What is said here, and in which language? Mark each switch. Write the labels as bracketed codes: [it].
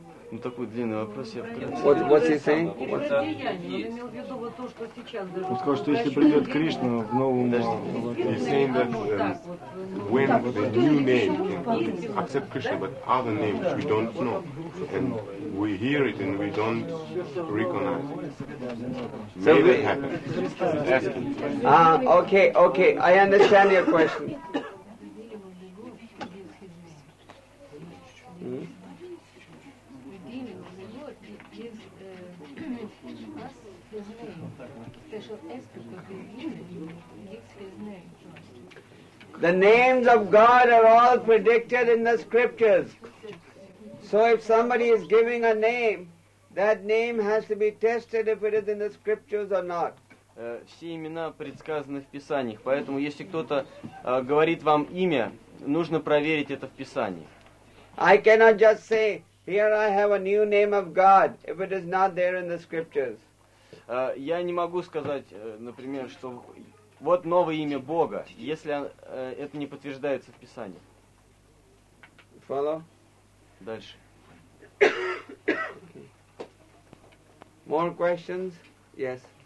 [ru] Ну, такой длинный вопрос, я пытаюсь. [en] What's he saying? [ru] Он сказал, что если придет Кришна в новом... [en] He's saying that when the new name can accept Krishna, but other names we don't know, and we hear it and we don't recognize it. May that happen. Okay, I understand your question. The names of God are all predicted in the scriptures. So if somebody is giving a name, that name has to be tested if it is in the scriptures or not. [ru] Все имена предсказаны в Писаниях, поэтому если кто-то говорит вам имя, нужно проверить это в Писании. [en] I cannot just say, here I have a new name of God, if it is not there in the scriptures. [ru] Я не могу сказать, например, что вот новое имя Бога, если это не подтверждается в Писании. [en] Follow? [ru] Дальше. [en] Okay. More questions? Yes.